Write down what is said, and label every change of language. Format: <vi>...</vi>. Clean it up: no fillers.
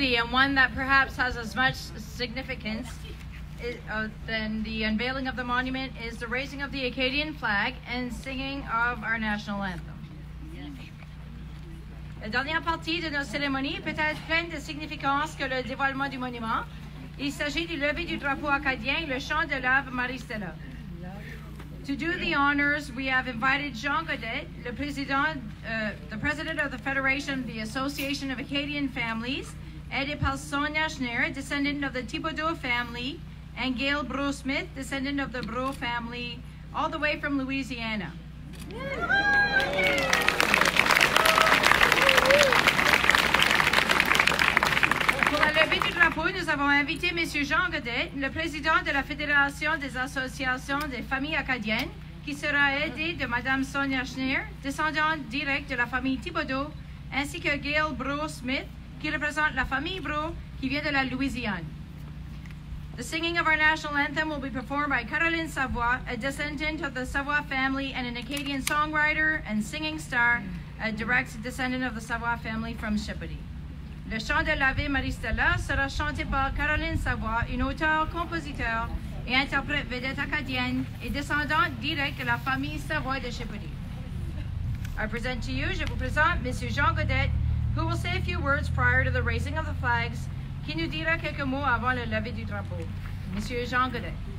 <en>one that perhaps has as much significance than the unveiling of the monument is the raising of the Acadian flag and singing of our national anthem.</en> <fr>La dernière partie de nos cérémonies peut être pleine de significance que le dévoilement du monument. Il s'agit du lever du drapeau acadien et le chant de l'Ave Maristella.</fr> <en>To do the honors, we have invited Jean Godet, the president of the Federation of the Association of Acadian Families,</en> <fr>aidé par</fr> <en>Sonia Schneer, descendant of the Thibodeau family, and Gail Bro Smith, descendant of the Bro family, all the way from Louisiana.</en> <fr>Pour la levée du drapeau, nous avons invité M. Jean Godet, le président de la Fédération des associations des familles acadiennes, qui sera aidé de Mme Sonia Schneer, descendante directe de la famille Thibodeau, ainsi que Gail Bro Smith, qui représente la famille Bro, qui vient de la Louisiane.</fr> <en>The singing of our national anthem will be performed by Caroline Savoie, a descendant of the Savoie family and an Acadian songwriter and singing star, a direct descendant of the Savoie family from Chipoudie.</en> <fr>Le chant de l'Ave Maristella sera chanté par Caroline Savoie, une auteure, compositeur et interprète vedette acadienne et descendante directe de la famille Savoie de Chipoudie.</fr> <en>I present to you,</en> <fr>je vous présente Monsieur Jean Godet,</fr> <en>who will say a few words prior to the raising of the flags,</en> <fr>qui nous dira quelques mots avant le lever du drapeau. Monsieur Jean Godet.</fr>